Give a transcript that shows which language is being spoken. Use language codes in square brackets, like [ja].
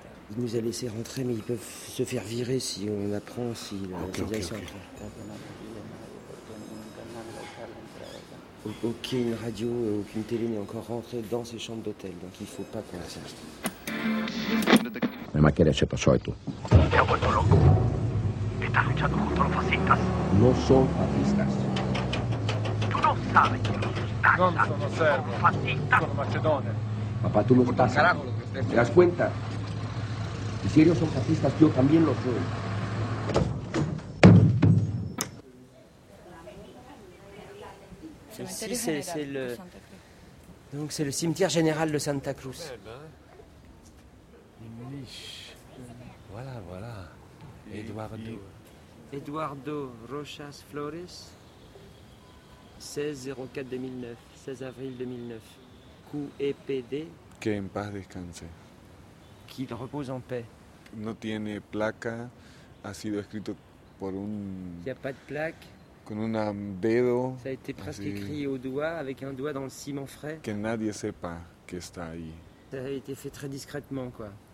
[fr] Il nous a laissé rentrer, mais ils peuvent se faire virer si on apprend si la situation est aucune radio, aucune télé n'est encore rentrée dans ces chambres d'hôtel, donc il ne faut pas qu'on la sache. [es] Mais ma querida, se pasó esto. Te ha vuelto loco. Estás luchando contra los fascistas. No son fascistas. Tú no sabes que los fascistas no son fascistas. Son macedones. Papá, tú lo estás. ¿Te das cuenta? Y si ellos son fascistas, yo también lo soy. [fr] Ici, donc c'est le cimetière général de Santa Cruz. Une niche. Voilà, voilà. Eduardo Rochas Flores, 16/04/2009, 16 avril 2009. Coup EPD. [es] Que en paz descanse. [fr] Qu'il repose en paix. [es] No tiene placa, ha sido escrito por un. [fr] Il n'y a pas de plaque. [es] Con un dedo. [fr] Ça a été presque écrit au doigt, avec un doigt dans le ciment frais. [es] Que nadie sepa que está ahí. [fr] Ça a été fait très discrètement, quoi.